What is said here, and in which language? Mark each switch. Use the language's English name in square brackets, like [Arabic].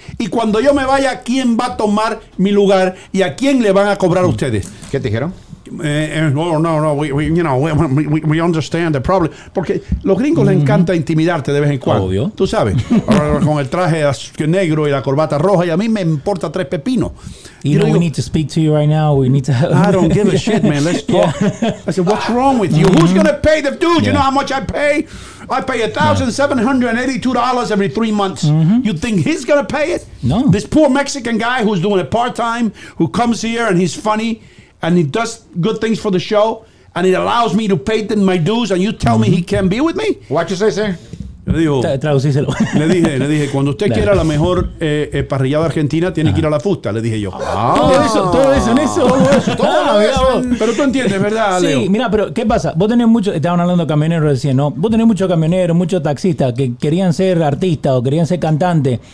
[Spanish] Y cuando yo me vaya, ¿quién va a tomar mi lugar y a quién le van a cobrar, uh-huh, a ustedes? ¿Qué te dijeron? [English] No, we understand the problem. [Spanish] Porque los gringos, uh-huh, les encanta intimidarte de vez en cuando. Obvio. Tú sabes. Con el traje negro y la corbata roja, y a mí me importa 3 pepinos. [English] You know, we need to speak to you right now. We need to help. I don't give a shit, man. Let's talk. Yeah. I said, what's wrong with you? Mm-hmm. Who's going to pay the dude? Yeah. You know how much I pay? I pay $1,782 every 3 months. Mm-hmm. You think he's going to pay it? No. This poor Mexican guy who's doing it part-time, who comes here and he's funny, and he does good things for the show, and it allows me to pay them my dues, and you tell, mm-hmm, me he can't be with me? What you say, sir? [Spanish] Le digo, traducíselo. Le dije, cuando usted, claro, quiera la mejor parrillada argentina, tiene, ajá, que ir a la Fusta, le dije yo. Ah, todo eso. Pero tú entiendes, ¿verdad, Leo? Sí, mira, pero ¿qué pasa? Vos tenés mucho, estaban hablando de camioneros recién, ¿no? Vos tenés muchos camioneros, muchos taxistas que querían ser artistas o querían ser cantantes.